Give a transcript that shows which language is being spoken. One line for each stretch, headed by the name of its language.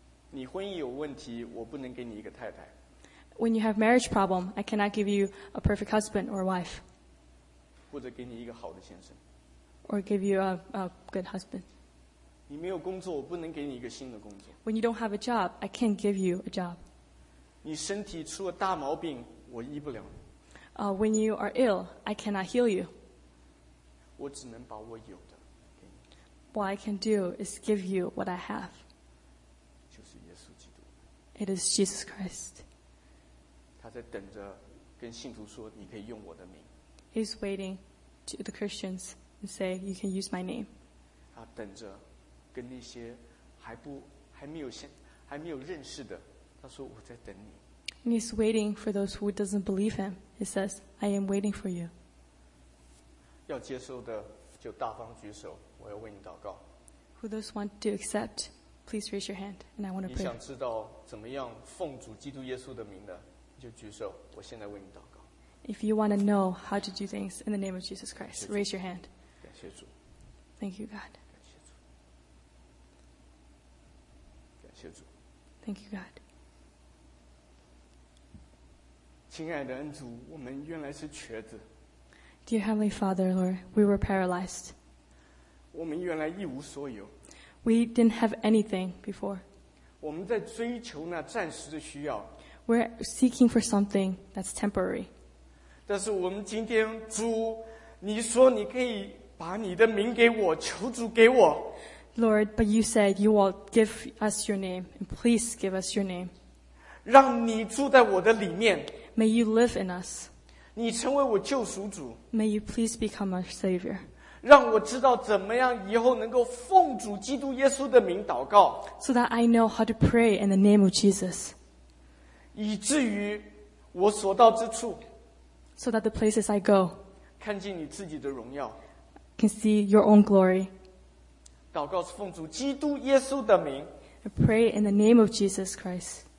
Chinese: 你婚姻有问题，我不能给你一个太太。
English: When you have marriage problem, I cannot give you a perfect husband or wife.
Chinese: 或者给你一个好的先生。
English: Or give you a good husband.
Chinese: 你没有工作，我不能给你一个新的工作。
English: When you don't have a job, I can't give you a job.
Chinese: 你身体出了大毛病，我医不了。
English: When you are ill, I cannot heal you.
Chinese: 我只能把我有的给你。
English: What I can do is give you what I have.
Chinese: 就是耶稣基督。
English: It is Jesus Christ.
Chinese: 他在等着跟信徒说你可以用我的名。
English: He's waiting to the Christians and say you can use my name.
Chinese: 他等着跟那些还没有认识的，他说我在等你。
English: And he's waiting for those who doesn't believe him. He says, I am waiting for you.
Chinese: 要接受的就大方举手，我要为你祷告。
English: Who those want to accept, please raise your hand and I want to pray.
Chinese: 你想知道怎么样奉主基督耶稣的名的？就举手，我现在为你祷告。
English: If you want to know how to do things in the name of Jesus Christ, raise your hand.
Chinese: 感谢主。
English: Thank you, God.
Chinese: 感谢主。感谢主。
English: Thank you, God.
Chinese: 亲爱的恩主，我们原来是瘸子。
English: Dear Heavenly Father, Lord, we were paralyzed.
Chinese: 我们原来一无所有。
English: We didn't have anything before.
Chinese: 我们在追求那暂时的需要。
English: We're seeking for something that's temporary.
Chinese: 但是我们今天主，你说你可以把你的名给我，求主给我。
English: Lord, but you said you will give us your name, and please give us your name.
Chinese: 让你住在我的里面。
English: May you live in us.
Chinese: 你成为我救赎主。
English: May you please become our Savior.
Chinese: 让我知道怎么样以后能够奉主基督耶稣的名祷告。
English: So that I know how to pray in the name of Jesus.
Chinese: 以至于我所到之处
English: so that the places I go
Chinese: 看见你自己的荣耀
English: can see your own glory
Chinese: 祷告是奉主基督耶稣的名
English: I pray in the name of Jesus Christ